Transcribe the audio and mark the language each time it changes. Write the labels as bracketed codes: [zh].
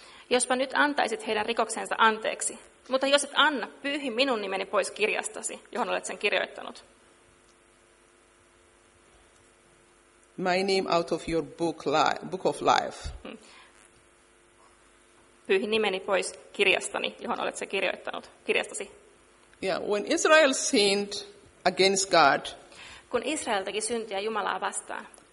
[fi] Jospa nyt antaisit heidän rikoksensa anteeksi, mutta jos et anna, pyyhi minun nimeni pois kirjastasi, johon olet sen kirjoittanut. [en] My name out of your book of life. [fi] Pyyhi nimeni pois kirjastani, johon olet sä kirjoittanut kirjastasi. [en] Yeah, when Israel sinned against God. [fi] Kun Israel teki syntiä Jumalaa vastaan.